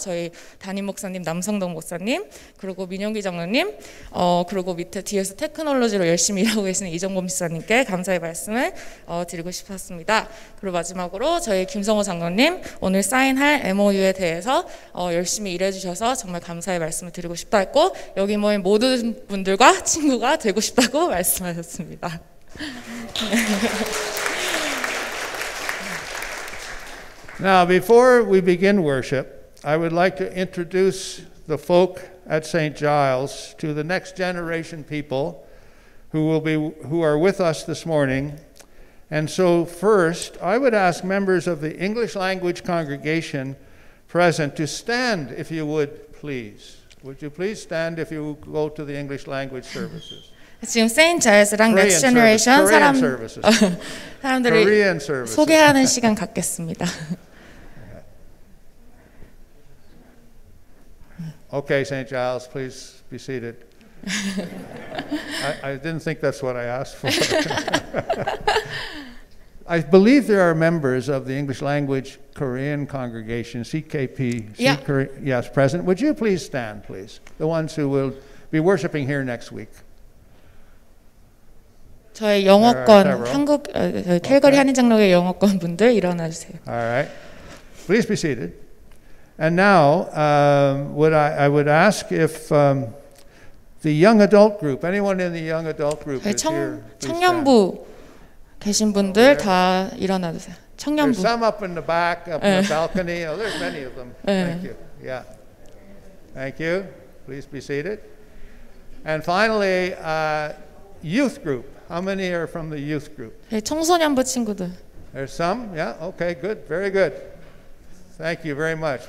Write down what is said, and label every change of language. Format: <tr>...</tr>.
<ko>저희 담임 목사님, 남성동 목사님, 그리고 민용기 장로님, 그리고 밑에 뒤에서 테크놀로지로 열심히 일하고 계시는 이정곤 목사님께 감사의 말씀을 드리고 싶었습니다. 그리고 마지막으로 저희 김성호 장로님, 오늘 사인할 MOU에 대해서 열심히 일해주셔서 정말 감사의 말씀을 드리고 싶다 했고 여기 모인 모든 분들과 친구가 되고 싶다고 말씀하셨습니다.</ko> <en>Now, before we begin worship, I would like to introduce the folk at St. Giles to the next generation people who are with us this morning. And so first, I would ask members of the English language congregation present to stand, if you would, please. Would you please stand if you go to the English language services?</en> <ko>지금 Saint Giles랑 Next Generation 사람들을 소개하는 시간 갖겠습니다.</ko> <en>Okay, Saint Giles, please be seated. I didn't think that's what I asked for. I believe there are members of the English language Korean congregation, CKPC, yeah. Yes, present. Would you please stand, please? The ones who will be worshiping here next week.</en> <ko>저의 영어권 한국 캘거리 okay. 한인 장로교회 영어권 분들 일어나 주세요.</ko> <en>All right. Please be seated. And now, I would ask if the young adult group, anyone in the young adult group is here.</en> <ko>청년부 계신 분들 다 일어나 주세요. 청년부.</ko> <en>There's some up in the back, up in the balcony. Oh, there's many of them. Thank you. Yeah. Thank you. Please be seated. And finally, youth group. How many are from the youth group?</en> <ko>네, 청소년부 친구들.</ko> <en>There's some? Yeah? Okay, good. Very good. Thank you very much.</en>